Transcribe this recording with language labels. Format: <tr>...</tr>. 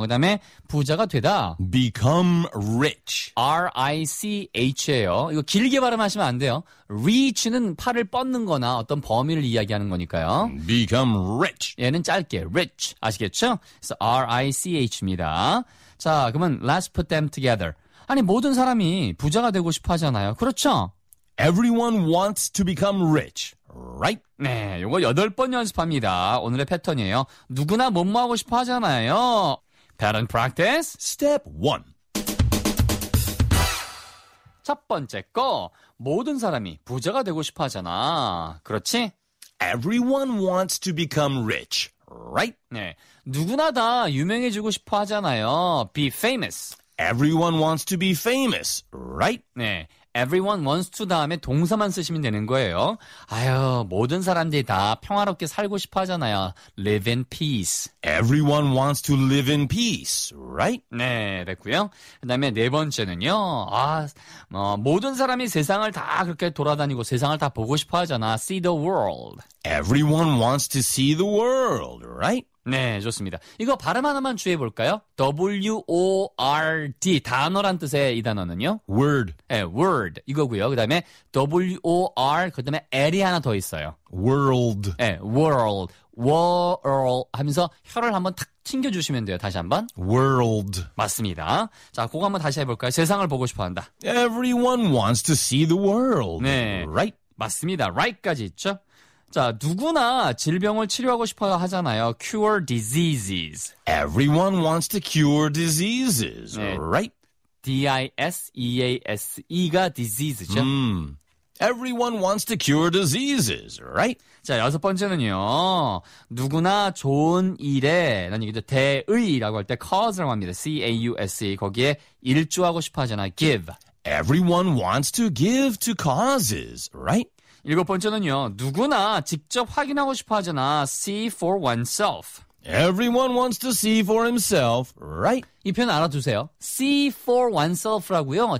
<ko>그다음에 부자가 되다.</ko> <en>Become rich.</en> <ko>R-I-C-H예요. 이거 길게 발음하시면 안 돼요. Reach는 팔을 뻗는 거나 어떤 범위를 이야기하는 거니까요.</ko> <en>Become rich.</en> <ko>얘는 짧게 rich 아시겠죠? 그래서 R-I-C-H입니다. 자, 그러면</ko> <en>let's put them together.</en> <ko>아니, 모든 사람이 부자가 되고 싶어 하잖아요. 그렇죠?</ko> <en>Everyone wants to become rich, right?</en> <ko>네, 요거 8번 연습합니다. 오늘의 패턴이에요. 누구나 뭐뭐하고 싶어 하잖아요.</ko> <en>패턴 프랙티스 Step 1.</en> <ko>첫 번째 거, 모든 사람이 부자가 되고 싶어 하잖아. 그렇지?</ko> <en>Everyone wants to become rich, right?</en> <ko>네, 누구나 다 유명해지고 싶어 하잖아요.</ko> <en>Be famous. Everyone wants to be famous, right?</en> <ko>네,</ko> <en>everyone wants to</en> <ko>다음에 동사만 쓰시면 되는 거예요. 아유, 모든 사람들이 다 평화롭게 살고 싶어 하잖아요.</ko> <en>Live in peace. Everyone wants to live in peace, right?</en> <ko>네, 됐고요. 그다음에 네 번째는요. 아, 모든 사람이 세상을 다 그렇게 돌아다니고 세상을 다 보고 싶어 하잖아.</ko> <en>See the world. Everyone wants to see the world, right?</en> <ko>네, 좋습니다. 이거 발음 하나만 주의해 볼까요? WORD 단어란 뜻의 이 단어는요.</ko> <en>Word.</en> <ko>네, word 이거고요. 그다음에 WOR 그다음에 L이 하나 더 있어요.</ko> <en>World. 네, world.</en> <ko>world 하면서 혀를 한번 탁 튕겨주시면 돼요. 다시 한번.</ko> <en>World.</en> <ko>맞습니다. 자, 그거 한번 다시 해볼까요? 세상을 보고 싶어 한다.</ko> <en>Everyone wants to see the world,</en> <ko>네.</ko> <en>right?</en> <ko>맞습니다. right까지 있죠? 자, 누구나 질병을 치료하고 싶어 하잖아요.</ko> <en>Cure diseases. Everyone wants to cure diseases,</en> <ko>네.</ko> <en>right?</en> <ko>D-I-S-E-A-S-E가 diseases죠.</ko> <en>Everyone wants to cure diseases, right?</en> <ko>자, 여섯 번째는요. 누구나 좋은 일에, 난 이게 대의라고 할때 cause라고 합니다.</ko> <en>C-A-U-S-E.</en> <ko>거기에 일조하고 싶어 하잖아요.</ko> <en>give. Everyone wants to give to causes, right?</en> <ko>일곱 번째는요, 누구나 직접 확인하고 싶어 하잖아.</ko> <en>See for oneself. Everyone wants to see for himself, right?</en> <ko>이 표현 알아두세요.</ko> <en>See for oneself라고요.</en>